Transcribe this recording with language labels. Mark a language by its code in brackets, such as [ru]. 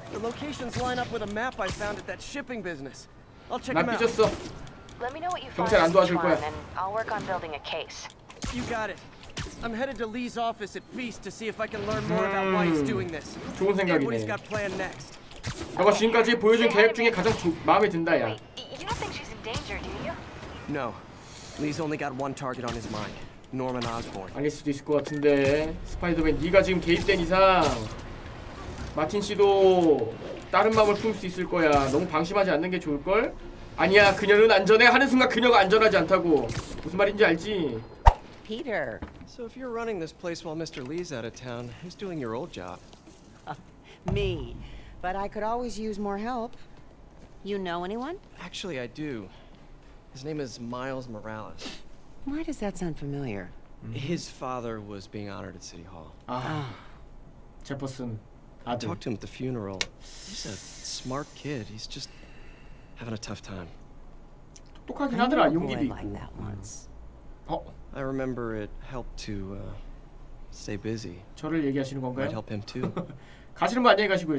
[en] The locations line up with a map I found at that shipping business. I'll check them out. [ko] 나 삐졌어. 경찰 안 도와줄 거야. [en] I'll work on building a case. You got it. I'm headed to Lee's office at Feast to see if I can learn more about why he's doing this. [ko] 좋은 생각이네. 너가 지금까지 보여준 계획 중에 가장 마음에 든다, 야. [en] You don't think she's in danger, do you? No. Lee's only got one target on his mind, Norman Osborn. [ko] 아닐 수도 있을 것 같은데 스파이더맨 네가 지금 개입된 이상 마틴 씨도 다른 마음을 품을 수 있을 거야. 너무 방심하지 않는 게 좋을 걸? 아니야, 그녀는 안전해. 하는 순간 그녀가 안전하지 않다고. 무슨 말인지 알지? [en] Peter. So if you're running this place while Mr. Lee's out of town, who's doing your old job? Me. But I could always use more help. You know anyone? Actually, I do. His name is Miles Morales. Why does that sound familiar? His father was being honored at City Hall. Ah. Jefferson. I talked to him at the funeral. He's a smart kid. He's just having a tough time. [ko] 똑똑하긴 하더라. 용기도 있고. 어? [en] I remember it helped to stay busy. [ko] 저를 얘기하시는 건가요? [en] Might help him too. [ko] 가시는 분 안녕히 가시고요.